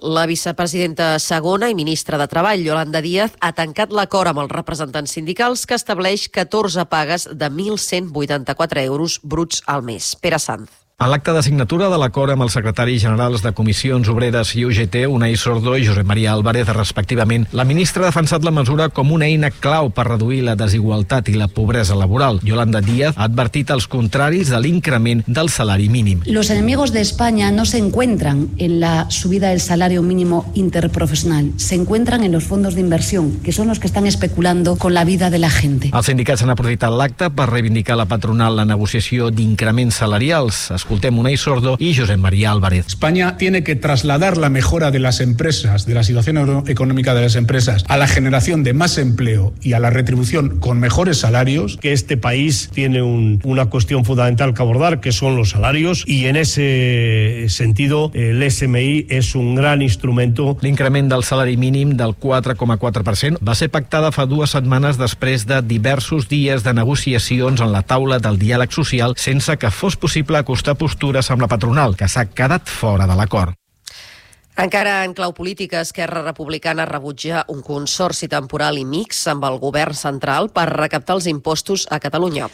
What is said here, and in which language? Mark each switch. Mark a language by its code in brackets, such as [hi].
[ca] La vicepresidenta segona i ministra de Treball, Yolanda Díaz, ha tancat l'acord amb els representants sindicals que estableix 14 pagues de 1.184 euros bruts al mes. Pere Sanz. A l'acte de signatura de l'acord amb els secretaris generals de Comissions Obreres i UGT, Unai Sordo i Josep Maria Álvarez, respectivament, la ministra ha defensat la mesura com una eina clau per reduir la desigualtat i la pobresa laboral. Yolanda Díaz ha advertit als contraris de l'increment del salari mínim. [es] Los enemigos de España no se encuentran en la subida del salario mínimo interprofesional, se encuentran en los fondos de inversión, que son los que están especulando con la vida de la gente. [ca] Els sindicats han aprofitat l'acte per reivindicar la patronal la negociació d'increments salarials. Escoltem Unai Sordo i Josep Maria Álvarez. [es] España tiene que trasladar la mejora de las empresas, de la situación económica de las empresas, a la generación de más empleo y a la retribución con mejores salarios. Que este país tiene una cuestión fundamental que abordar, que son los salarios, y en ese sentido el SMI es un gran instrumento. [ca] L'increment del salari mínim del 4,4% va ser pactada fa dues setmanes després de diversos dies de negociacions en la taula del diàleg social sense que fos possible acostar postures amb la patronal, que s'ha quedat fora de l'acord. Encara en clau política, Esquerra Republicana rebutja un consorci temporal i mix amb el govern central per recaptar els impostos a Catalunya.